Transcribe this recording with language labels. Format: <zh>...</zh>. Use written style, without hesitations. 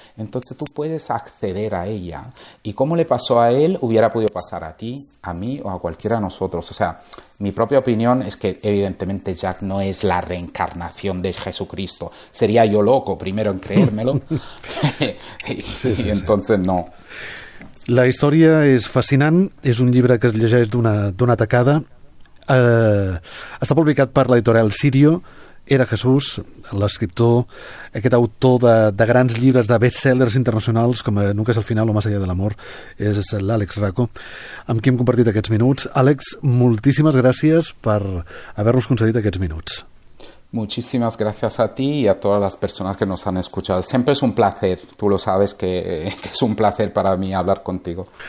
<es>Entonces tú puedes acceder a ella. Y cómo le pasó a él, hubiera podido pasar a ti, a mí o a cualquiera de nosotros. O sea, mi propia opinión es que evidentemente Jack no es la reencarnación de Jesucristo. Sería yo loco primero en creérmelo. Sí, Y sí, sí. entonces no.</es> <ca>La història és fascinant, és un llibre que es llegeix d'una tacada. Està publicat per l'editorial Sirio. Era Jesús, l'escriptor, aquest autor de grans llibres, de bestsellers internacionals, com Nunca és el final o Más allá de l'amor, és l'Àlex Racco, amb qui hem compartit aquests minuts. Àlex, moltíssimes gràcies per haver-nos concedit aquests minuts.</ca> <es>Muchísimas gracias a ti y a todas las personas que nos han escuchado. Siempre es un placer, tú lo sabes que es un placer para mí hablar contigo.</es>